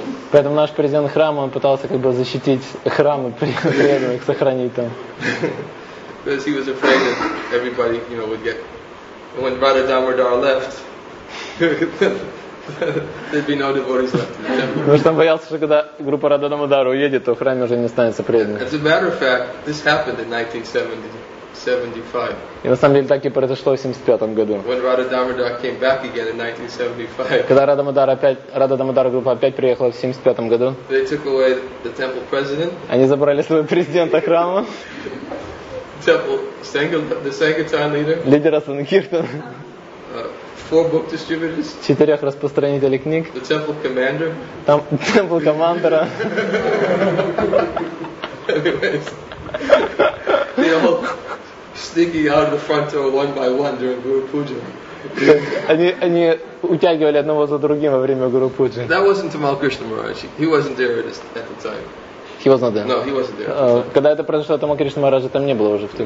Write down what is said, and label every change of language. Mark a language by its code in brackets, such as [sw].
[ru] Поэтому наш президент храма он пытался как бы защитить храмы преданных, сохранить там. [en] Because he was afraid that everybody, you know, would get when Radha Damodar left. There'd be no devotees left in the temple. [ru] Потому что он боялся, что когда группа Радха Дамодара уедет, то в храме уже не останется преданных. [en] As a matter of fact, this happened in 1975. [ru] И на самом деле так и произошло в 75 году. [en] When Radha Damodar came back again in 1975. [ru] Когда Радха Дамодара группа опять приехала в 75 году. [en] They took away the temple president. [ru] Они забрали своего президента храма. [en] Temple Sangha, the Sangatan leader. [ru] Лидера Санкиртана. [en] Four book distributors. [ru] Четырех распространителей книг. [en] The temple commander. Там temple commander. They all sneaking out of the front door one by one during Guru Puja. [ru] Они утягивали одного за другим во время Guru Puja. [en] That wasn't Tamal Krishna Maharaj. He wasn't there at the time. He wasn't there. No, he wasn't there. [ru] Когда это произошло, Тамал Кришна Мараджа там не было уже в тот